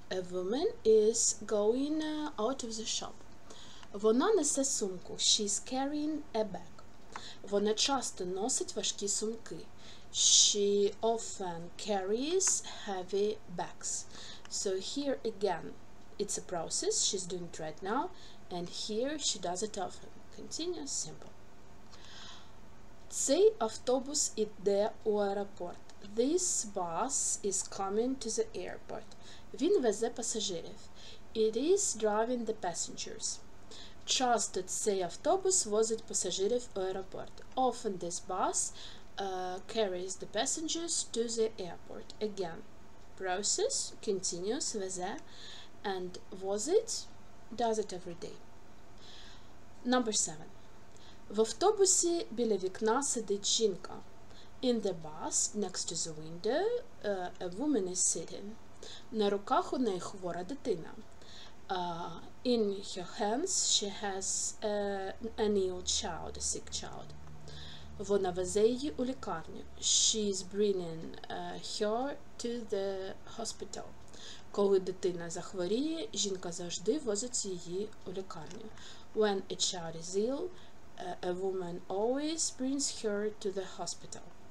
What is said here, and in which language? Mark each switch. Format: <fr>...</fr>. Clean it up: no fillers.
<en>A woman is going out of the shop.</en> <uk>Вона несе сумку.</uk> <en>She's carrying a bag.</en> <uk>Вона часто носить важкі сумки.</uk> <en>She often carries heavy bags. So, here again, it's a process. She's doing it right now. And here she does it often. Continuous, simple.</en> <uk>Цей автобус іде у аеропорт.</uk> <en>This bus is coming to the airport.</en> <uk>Він везе пасажирів.</uk> <en>It is driving the passengers.</en> <uk>Часто цей автобус возить пасажирів у аеропорт.</uk> <en>Often this bus carries the passengers to the airport. Again, process, continuous, везе, and возить, does it every day. Number 7.</en> <uk>В автобусі біля вікна сидить жінка.</uk> <en>In the bus, next to the window, a woman is sitting.</en> <uk>На руках у неї хвора дитина.</uk> <en>In her hands, she has an ill child, a sick child.</en> <uk>Вона везе її у лікарню.</uk> <en>She is bringing her to the hospital.</en> <uk>Коли дитина захворіє, жінка завжди возить її у лікарню.</uk> <en>When a child is ill, a woman always brings her to the hospital.</en>